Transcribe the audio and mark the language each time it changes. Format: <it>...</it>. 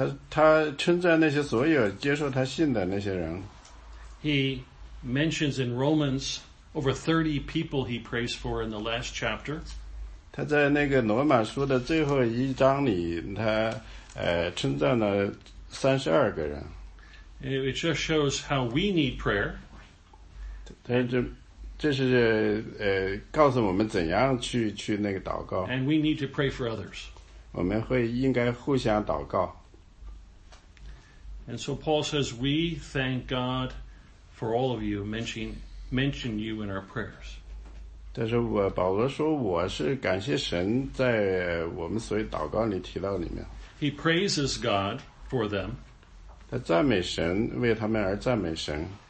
<zh>他称赞那些所有接受他信的那些人。</zh> <en>He mentions in Romans over 30 people he prays for in the last chapter.</en> <zh>他在那个罗马书的最后一章里他称赞了32个人。</zh> <en>It just shows how we need prayer.</en> <zh>这是告诉我们怎样去那个祷告。</zh> <en>And we need to pray for others.</en> <zh>我们会应该互相祷告。</zh> <en>And so Paul says, we thank God for all of you, mention you in our prayers.</en> <zh>但是保罗说我是感谢神在我们所有祷告里提到里面。</zh> <en>He praises God for them.</en> <zh>他赞美神为他们而赞美神。</zh>